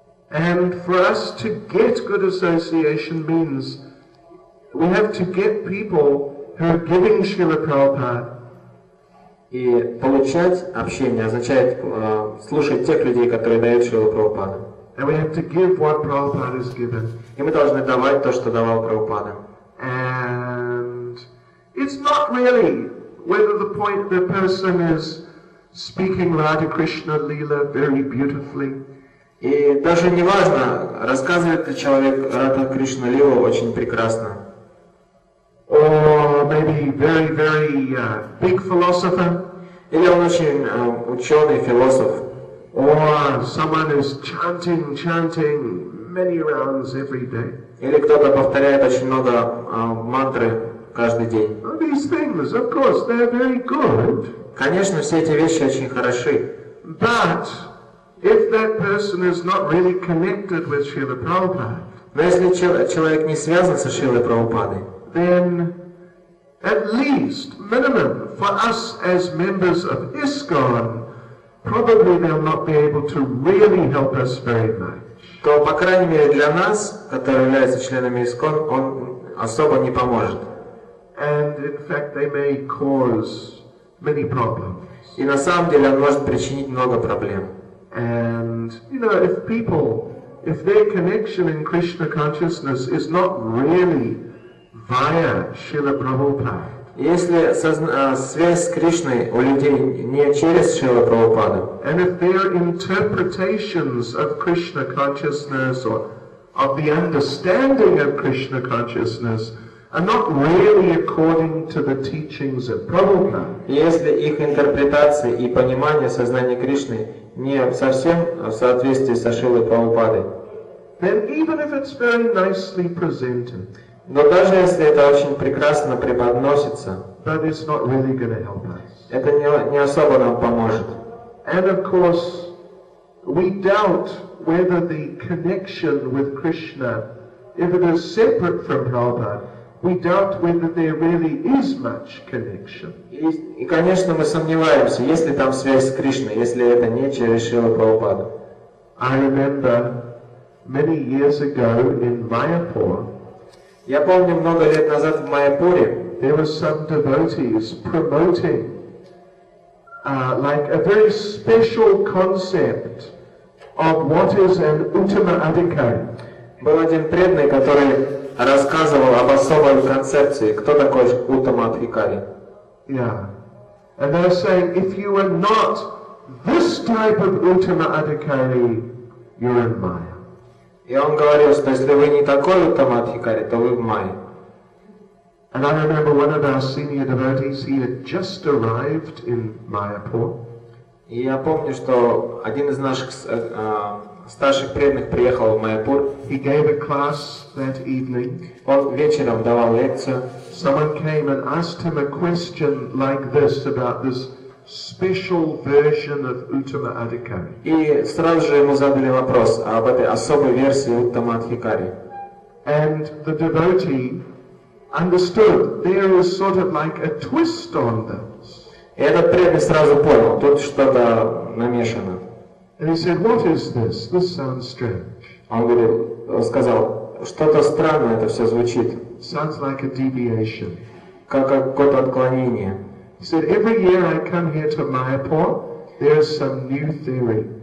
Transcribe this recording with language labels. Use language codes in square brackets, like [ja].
[en] And for us to get good association means we have to get people who are giving Шрила Прабхупада. [ru] И получать общение означает слушать тех людей, которые дают Шрилу Прабхупаду. [en] And we have to give what Prabhupada has given. [ru] И мы должны давать то, что давал Прабхупада. [en] And it's not really whether the point the person is speaking Radha Krishna Lila very beautifully. [ru] И даже не важно, рассказывает ли человек Радха Кришна Лилу очень прекрасно. [en] Or maybe very, very big philosopher. [ru] Или он очень ученый философ. [en] Or someone is chanting many rounds every day. [ru] Или кто-то повторяет очень много мантры каждый день. [en] All these things, of course, they are very good. [ru] Конечно, все эти вещи очень хороши. [en] But if that person is not really connected with Srila Prabhupada. [ru] Но если человек не связан со Шрилой Прабхупадой. [en] Then, at least, minimum, for us as members of ISKCON, probably they'll not be able to really help us very much. [ru] То, по крайней мере, для нас, которые являются членами ISKCON, он особо не поможет. [en] And, in fact, they may cause many problems. [ru] И на самом деле он может причинить много проблем. [en] And, you know, if people, if their connection in Krishna consciousness is not really via Srila Prabhupada, [ru] если связь с Кришной у людей не через Шрила Прабхупада, [en] and if their interpretations of Krishna consciousness or of the understanding of Krishna consciousness are not really according to the teachings of Prabhupada, [ru] если их интерпретация и понимание сознания Кришны не совсем в соответствии со Шрилой Прабхупадой, [en] then even if it's very nicely presented, [ru] но даже если это очень прекрасно преподносится, [en] but it's not really gonna help us. [ru] Это не особо нам поможет. [en] And of course, we doubt whether the connection with Krishna, if it is separate from Prabhupada, we doubt whether there really is much connection. [ru] И конечно, мы сомневаемся, есть ли там связь с Кришной, если это не через Шрилу Прабхупаду. [en] I remember many years ago in Mayapur, [ru] я помню, много лет назад в Майяпуре, [en] there were some devotees promoting like a very special concept of what is an Uttama Adhikari. [ru] Был один преданный, который рассказывал об особой концепции, кто такой Uttama Adhikari. [en] Yeah. And they were saying, if you are not this type of Uttama Adhikari, you're in Maya. [ru] И он говорил, что если вы не такой Uttama Adhikari, то вы в Майе. [en] And I remember one of our senior devotees, he had just arrived in Mayapur. [ru] И я помню, что один из наших старших преданных приехал в Майяпур. [en] He gave a class that evening. [ru] Он вечером давал лекцию. [en] Someone came and asked him a question like this about this special version of Uttama Adhikari. [ru] И сразу же ему задали вопрос об этой особой версии Uttama Adhikari. [en] And the devotee understood there is sort of like a twist on this. [ru] И этот преданный сразу понял, тут что-то намешано. [en] And he said, "What is this? This sounds strange." [ru] Он говорил, сказал, что-то странное это все звучит. [en] Sounds like a deviation. [ru] Как какое-то отклонение. [en] He said, every year I come here to Mayapur, there is some new theory.